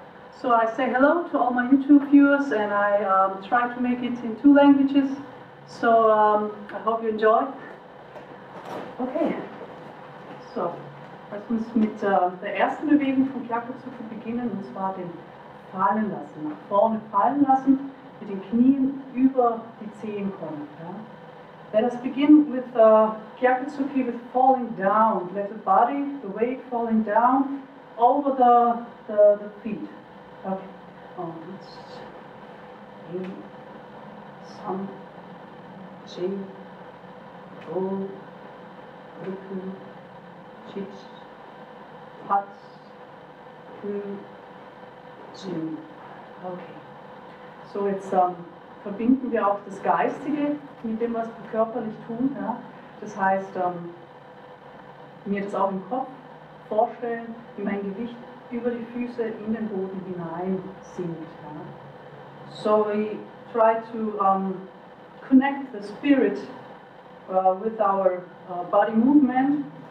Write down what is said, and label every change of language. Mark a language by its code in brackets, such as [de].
[en] So I say hello to all my YouTube viewers and I try to make it in two languages. [de] So I hope you enjoy. Okay, so lass uns mit der ersten Bewegung von Klappen zu beginnen, und zwar den fallen lassen, nach vorne fallen lassen. Mit den Knien über die Zehen kommen. Ja. [en] Let us begin with Gyakutsuki with falling down. Let the body, the weight falling down over the feet. Okay. Let's in some chi go ruku chich pats ku jin. Okay. [de] So, jetzt verbinden wir auch das Geistige mit dem, was wir körperlich tun. Ja? Das heißt, mir das auch im Kopf vorstellen, wie mein Gewicht über die Füße in den Boden hinein sinkt. Ja? [en] So, we try to connect the spirit with our body movement.